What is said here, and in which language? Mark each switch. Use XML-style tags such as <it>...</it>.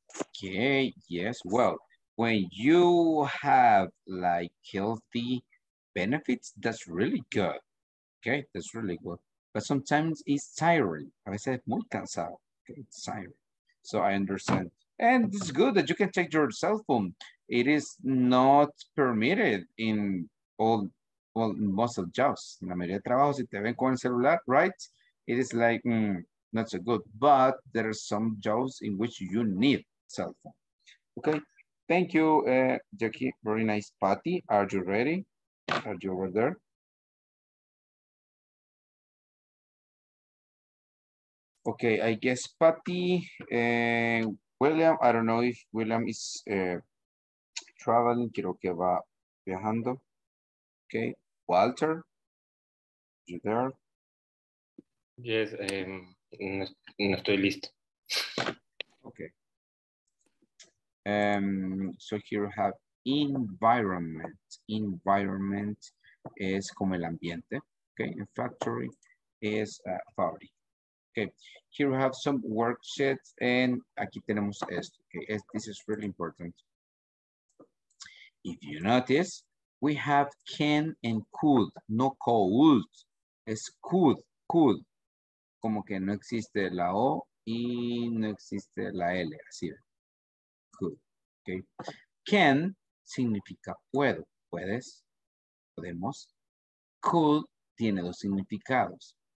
<en>Okay, yes, well, when you have like healthy benefits, that's really good. Okay, that's really good. But sometimes it's tiring.</en> <es>A veces muy cansado.</es> <en>Okay, it's tiring. So I understand. And it's good that you can take your cell phone. It is not permitted in all most of jobs.</en> <es>En la mayoría de trabajos, si te ven con el celular, right?</es> <en>It is like not so good. But there are some jobs in which you need cell phone. Okay. Thank you, Jackie. Very nice. Patty, are you ready? Are you over there? Okay, I guess Patty, William, I don't know if William is traveling.</en> <es>Creo que va viajando.</es> <en>Okay, Walter, you there? Yes,</en> <es>no estoy listo.</es> <en>Okay. So here we have environment. Environment</en> <es>es como el ambiente.</es> <en>Okay, and factory is fabric. Okay, here we have some worksheets, and</en> <es>aquí tenemos esto.</es> <en>Okay, this is really important. If you notice, we have can and could, no could.</en> <es>Es could. Como que no existe la O y no existe la L, así. Could. Okay. Can significa puedo, puedes, podemos. Could tiene dos significados.</es>